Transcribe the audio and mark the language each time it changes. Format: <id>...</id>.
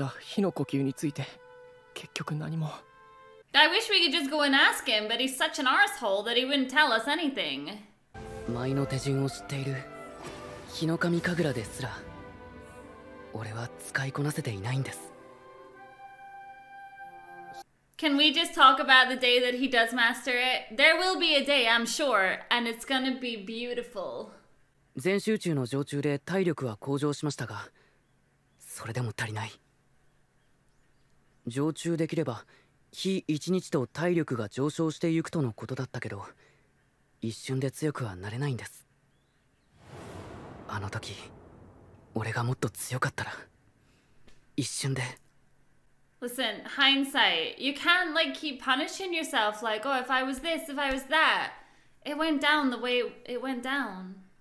<ja>おそらく父が破いたのだと思います。申し訳ありません。いえ、千次郎さんのせいではないです。どうか気になさらず。わざわざ足を運んでいただいたのに、日の神神楽や父の言っていた火の呼吸について結局何も。</ja> <en>I wish we could just go and ask him, but he's such an arsehole that he wouldn't tell us anything. Can we just talk about the day that he does master it? There will be a day, I'm sure, and it's gonna be beautiful.</en> <ja>ゼン集中の常駐で体力は向上しましたが、それでも足りない。常駐できれば 日一日と体力が上昇していくとのことだったけど、一瞬で強くはなれないんです。あの時、俺がもっと強かったら、一瞬で。</ja> <en>Listen, hindsight, you can't like keep punishing yourself like, oh, if I was this, if I was that. It went down the way it went down.</en>